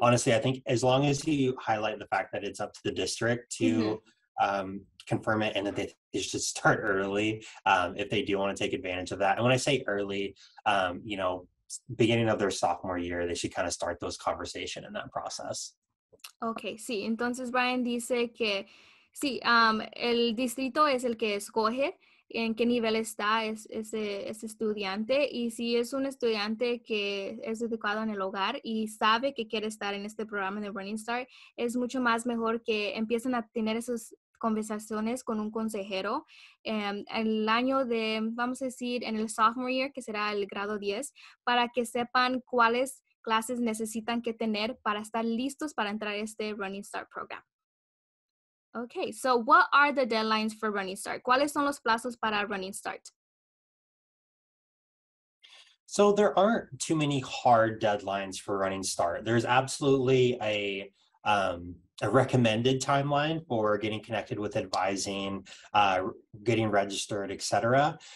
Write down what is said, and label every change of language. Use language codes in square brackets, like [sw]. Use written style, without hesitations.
[en] Honestly, I think as long as you highlight the fact that it's up to the district to confirm it and that they should start early if they do want to take advantage of that. And when I say early, beginning of their sophomore year, they should kind of start those conversation in that process. [es] Okay, sí. Entonces, Brian dice que sí, el distrito es el que escoge en qué nivel está ese estudiante, y si es un estudiante que es educado en el hogar y sabe que quiere estar en este programa de Running Start, es mucho más mejor que empiecen a tener esas conversaciones con un consejero el año de, vamos a decir, en el sophomore year, que será el grado 10, para que sepan cuáles clases necesitan que tener para estar listos para entrar a este Running Start program. [en] Okay, so what are the deadlines for Running Start? [es] ¿Cuáles son los plazos para Running Start? [en] So there aren't too many hard deadlines for Running Start. There's absolutely a recommended timeline for getting connected with advising, getting registered, etc.